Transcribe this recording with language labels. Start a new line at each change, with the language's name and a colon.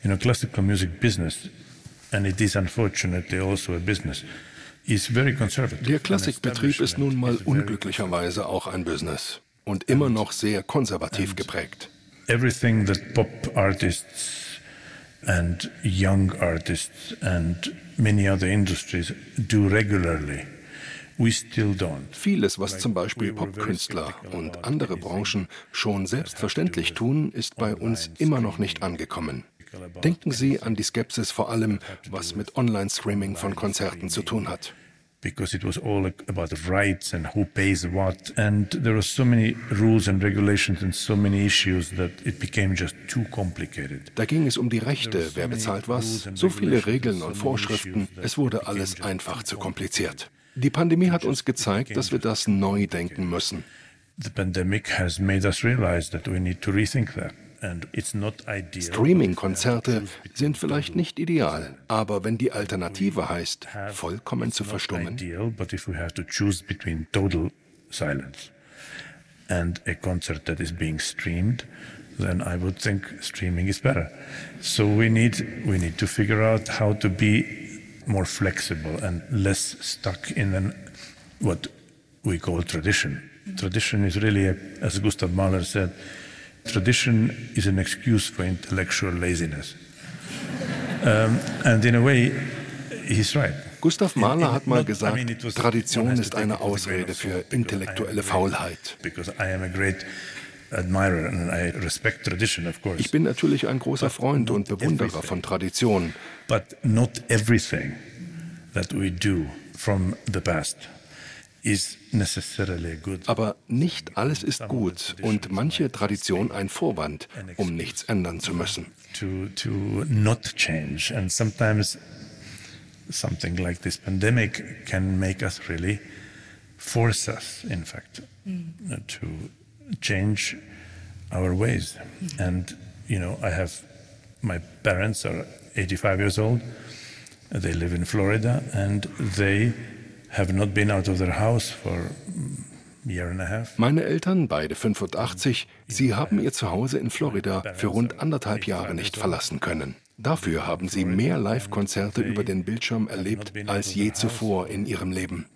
English: You know, classical music business, and it is unfortunately also a business, is very conservative.
German: Der Klassikbetrieb ist nun mal unglücklicherweise auch ein Business und immer noch sehr konservativ geprägt.
English: Everything that pop artists and young artists and many other industries do regularly, we still don't.
German: Vieles, was zum Beispiel Popkünstler und andere Branchen schon selbstverständlich tun, ist bei uns immer noch nicht angekommen. Denken Sie an die Skepsis vor allem, was mit Online-Streaming von Konzerten zu tun hat.
English: Because it was all about the rights and who pays what. And there are so many rules and regulations and so many issues that it became just too complicated.
German: Da ging es um die Rechte, wer bezahlt was, so viele Regeln und Vorschriften, es wurde alles einfach zu kompliziert. Die Pandemie hat uns gezeigt, dass wir das neu denken müssen.
English: The pandemic has made us realize that we need to rethink that.
German: Streaming-Konzerte sind vielleicht nicht ideal, aber wenn die Alternative heißt, vollkommen zu verstummen,
English: but if we have to choose between total silence and a concert that is being streamed, then I would think streaming is better. So we need to figure out how to be more flexible and less stuck in an what we call tradition. Tradition is really, as Gustav Mahler said, tradition is an excuse for intellectual laziness. And in a way, he's right.
German: Gustav Mahler hat mal gesagt, Tradition ist eine Ausrede für intellektuelle Faulheit.
English: Because I am a great admirer and I respect tradition, of course.
German: Ich bin natürlich ein großer Freund und Bewunderer von Tradition.
English: But not everything that we do from the past is necessarily good.
German: Aber nicht alles ist gut und manche Tradition ein Vorwand, um nichts ändern zu müssen.
English: To not change. And sometimes something like this pandemic can make us really force us, in fact, to change our ways. And, you know, I have my parents are 85 years old. They live in Florida and they have not been out of their house for a year and a half.
German: Meine Eltern, beide 85, sie haben ihr Zuhause in Florida für rund 1,5 Jahre nicht verlassen können. Dafür haben sie mehr Live-Konzerte über den Bildschirm erlebt als je zuvor in ihrem Leben.